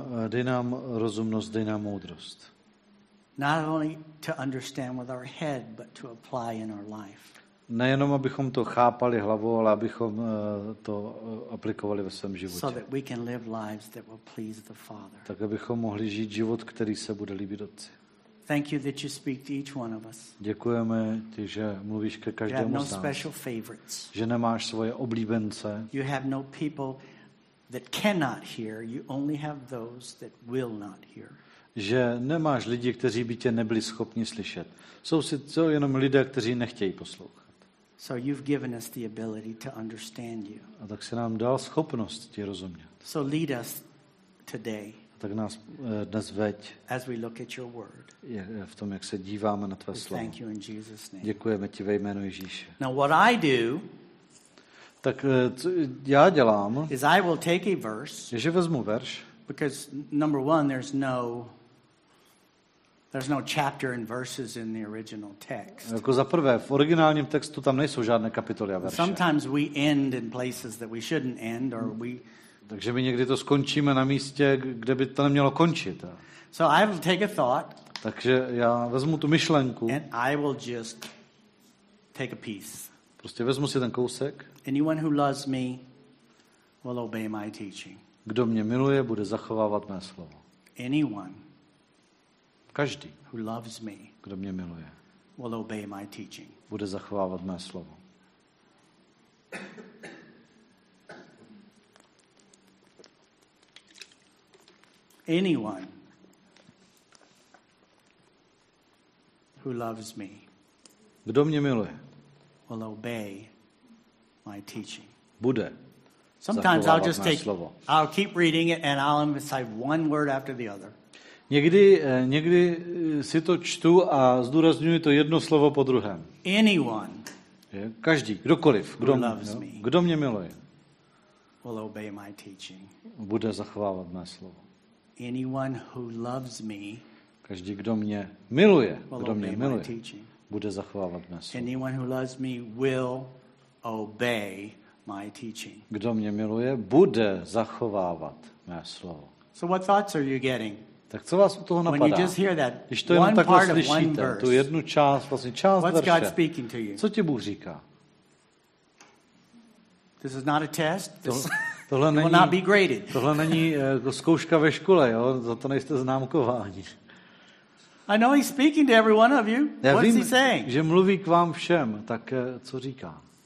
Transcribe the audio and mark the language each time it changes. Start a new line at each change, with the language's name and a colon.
Czech: dej nám rozumnost, dej nám moudrost.
English: Not only to understand with our head, but to apply in our life.
Czech: Nejenom abychom to chápali hlavou, ale abychom to aplikovali ve svém životě.
English: So that we can live lives that will please the Father.
Czech: Tak abychom mohli žít život, který se bude líbit Otci.
English: Thank you that you speak to each one of us.
Czech: Děkujeme ti, že mluvíš ke každému z nás.
English: You have no special favorites.
Czech: Že nemáš svoje oblíbence.
English: You have no people that cannot hear. You only have those that will not hear.
Czech: Že nemáš lidi, kteří by tě nebyli schopni slyšet. Jsou jenom lidé, kteří nechtějí poslouchat.
English: So you've given us the ability to understand you.
Czech: A tak se nám dal schopnost ti rozumět.
English: So lead us today.
Czech: Tak nás dnes veď.
English: As we look at your word.
Czech: V tom, jak se díváme na tvé slovo.
English: Thank you in Jesus name.
Czech: Děkujeme ti ve jménu Ježíše.
English: Now what I do,
Czech: tak co já dělám,
English: is I will take a verse,
Czech: je, že vezmu verš,
English: because number one, there's no chapter and verses in the original text.
Czech: Jako za prvé, v originálním textu tam nejsou žádné kapitoly a verše.
English: Sometimes we end in places that we shouldn't end, or we.
Czech: Takže my někdy to skončíme na místě, kde by to nemělo končit.
English: So I will take a thought.
Czech: Takže já vezmu tu myšlenku.
English: And I will just take a piece.
Czech: Prostě vezmu si ten kousek.
English: Anyone who loves me will obey my teaching.
Czech: Kdo mě miluje, bude zachovávat mé slovo.
English: Anyone.
Czech: Každý.
English: Who loves me.
Czech: Kdo mě miluje,
English: will obey my teaching.
Czech: Bude zachovávat mé slovo.
English: Anyone who loves me.
Czech: Kdo mě miluje,
English: will obey my teaching.
Czech: Bude.
English: Sometimes I'll just take. I'll keep reading it and I'll emphasize one word after the other.
Czech: Někdy si to čtu a zdůrazňuji to jedno slovo po druhém.
English: Anyone.
Czech: Každý, kdokoliv, kdo mě miluje,
English: will obey my teaching.
Czech: Bude zachovávat mé slovo.
English: Anyone who loves me.
Czech: Každý, kdo mě miluje, bude zachovávat mé slovo.
English: Anyone who loves me will obey my teaching.
Czech: Kdo mě miluje, bude zachovávat mé slovo.
English: So what thoughts are you getting?
Czech: Tak co vás u toho napadá?
English: When you just hear that,
Czech: když to jenom takhle slyšíte, tu jednu část, vlastně část verše.
English: What's God speaking to you?
Czech: Co ti Bůh říká?
English: This is not a test.
Czech: Tohle není,
English: will not be graded.
Czech: Tohle není zkouška ve škole, jo? Za to nejste známkováni.
English: I know he's speaking to every one of you. What is he saying?
Czech: Že mluví k vám všem, tak co říká?